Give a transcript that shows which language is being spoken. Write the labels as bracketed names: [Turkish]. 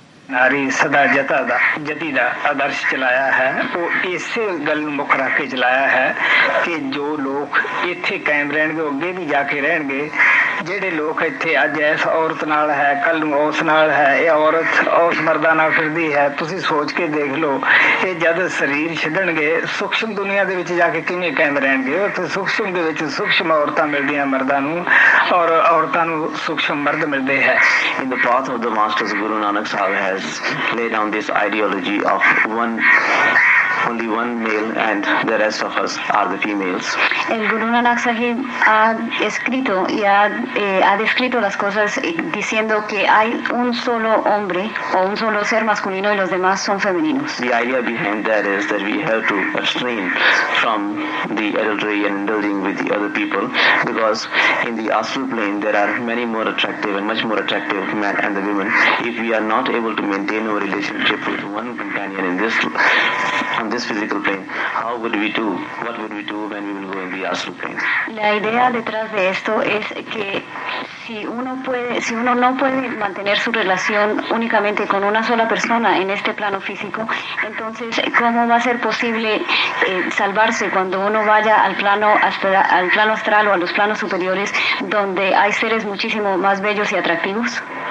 [Punjabi] ਨਾਰੀ ਸਦਾ ਜਤਾ ਦਾ ਜਤੀ ਦਾ ਆਦਰਸ਼ ਚਲਾਇਆ ਹੈ ਉਹ ਇਸੇ ਗੱਲ ਨੂੰ ਮੁੱਖ ਰੱਖ ਕੇ ਚਲਾਇਆ ਹੈ ਕਿ ਜੋ ਲੋਕ ਇੱਥੇ ਕਾਇਮ ਰਹਿਣਗੇ ਉਹ ਅੱਗੇ ਵੀ ਜਾ ਕੇ ਰਹਿਣਗੇ ਜਿਹੜੇ ਲੋਕ ਇੱਥੇ ਅੱਜ ਇਸ ਔਰਤ ਨਾਲ ਹੈ ਕੱਲ੍ਹ ਨੂੰ ਉਸ ਨਾਲ ਹੈ ਇਹ ਔਰਤ ਉਸ ਮਰਦਾਂ ਨਾਲ ਫਿਰਦੀ ਹੈ ਤੁਸੀਂ ਸੋਚ ਕੇ ਦੇਖ ਲਓ ਇਹ ਜਦ ਸਰੀਰ ਛੱਡਣਗੇ ਸੂਖਸ਼ਮ ਦੁਨੀਆਂ ਦੇ ਵਿੱਚ ਜਾ ਕੇ ਕਿਵੇਂ ਕਾਇਮ ਰਹਿਣਗੇ ਉੱਥੇ ਸੂਖਸ਼ਮ ਦੇ ਵਿੱਚ ਸੂਖਸ਼ਮ ਔਰਤਾਂ ਮਿਲਦੀਆਂ ਮਰਦਾਂ ਨੂੰ ਔਰ ਔਰਤਾਂ ਨੂੰ ਸੂਖਸ਼ਮ ਮਰਦ ਮਿਲਦੇ ਹੈ [English] In the path of the masters Guru Nanak Sahib has laid down this ideology of one Only one male and the rest of us are the females. [Spanish] El Guru Nanak Sahib ha escrito y ha, ha descrito las cosas diciendo que hay un solo hombre o un solo ser masculino y los demás son femeninos. [English] The idea behind that is that we have to abstain from the adultery and indulging with the other people because in the astral plane there are many more attractive and much more attractive men and the women. If we are not able to maintain our relationship with one companion in this on this physical plane, how would we do? What would we do when we will go in the astral plane? [Spanish] La idea detrás de esto es que si uno puede, si uno no puede mantener su relación únicamente con una sola persona en este plano físico, entonces cómo va a ser posible salvarse cuando uno vaya al plano astral o a los planos superiores, donde hay seres muchísimo más bellos y atractivos.